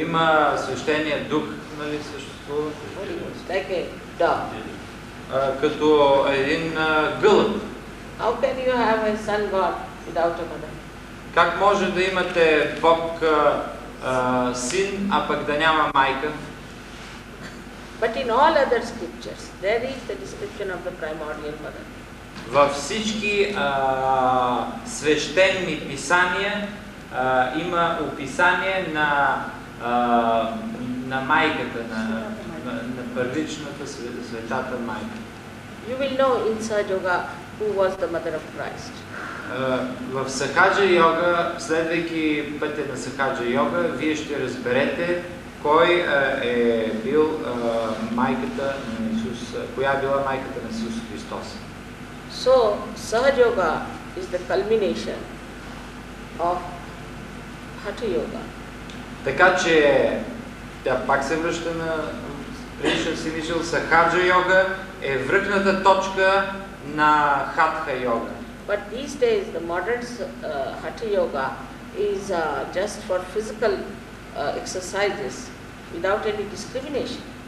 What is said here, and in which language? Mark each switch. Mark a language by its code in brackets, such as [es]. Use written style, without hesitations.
[bg] Има свещения дух, нали, съществува? [en] Like a dog. [bg] Като един гълъб. [en] How can you have a sun god without a mother? [bg] Как може да имате Бог син, а пък да няма майка? [en] But in all other scriptures, there is the description of the primordial mother. [bg] Във всички свещени писания има описание на майката, на първичната Светата майка. [en] You will know in Sahaja Yoga who was the mother of Christ. [bg] В Сахаджа йога, следвайки пътя на Сахаджа йога, вие ще разберете кой е бил майката на Исус, коя е била майката на Исус Христос. [en] So, Sahaja Yoga is the culmination of Hatha Yoga. [bg] Така че тя пак се връща на предишна си мисъл, Сахаджа йога е връхната точка на Хатха йога. [en] But these days the modern Hatha Yoga is just for physical exercises without any discrimination.